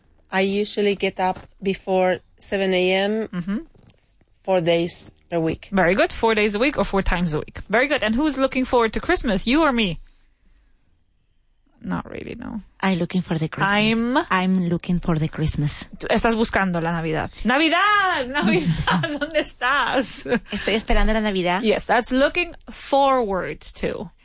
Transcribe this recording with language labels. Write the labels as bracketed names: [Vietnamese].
[English] I usually get up before 7 a.m. Mm-hmm. 4 days a week. Very good. 4 days a week or 4 times a week. Very good. And who's looking forward to Christmas, you or me? Not really, no. I'm looking for the Christmas. I'm looking for the Christmas. [Spanish] Estás buscando la Navidad. ¡Navidad! ¡Navidad! ¿Dónde estás? Estoy esperando la Navidad. [English] Yes, that's looking forward to.